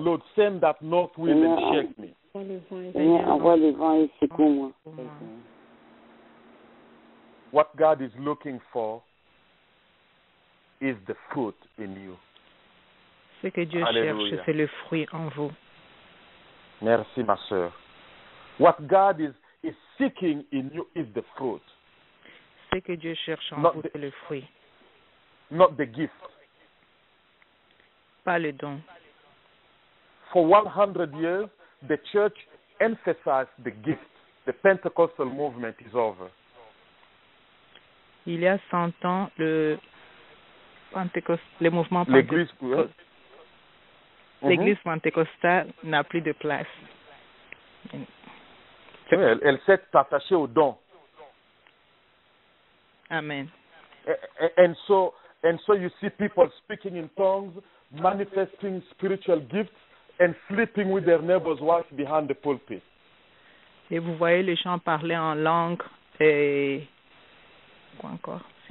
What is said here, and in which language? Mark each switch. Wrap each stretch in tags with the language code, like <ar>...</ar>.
<en>Lord, send that north wind and shake me.</en> <fr>Seigneur, envoie le vent et secoue-moi.</fr> <en>What God is looking for is the fruit in you.</en> <fr>Ce que Dieu cherche, c'est le fruit en vous. Merci, ma sœur.</fr> <en>What God is seeking in you is the fruit.</en> <fr>Ce que Dieu cherche en vous, c'est le fruit.</fr> <en>Not the gift.</en> <fr>Pas le don.</fr> <en>For 100 years, the church emphasized the gift. The Pentecostal movement is over.</en> <fr>Il y a 100 ans, le mouvement l'Église pentecostale n'a plus de place. Oui, elle s'est attachée au don. Amen.</fr> <en>And so you see people speaking in tongues, manifesting spiritual gifts, and sleeping with their neighbor's wife behind the pulpit.</en> <fr>Et vous voyez les gens parler en langue et quoi encore?</fr>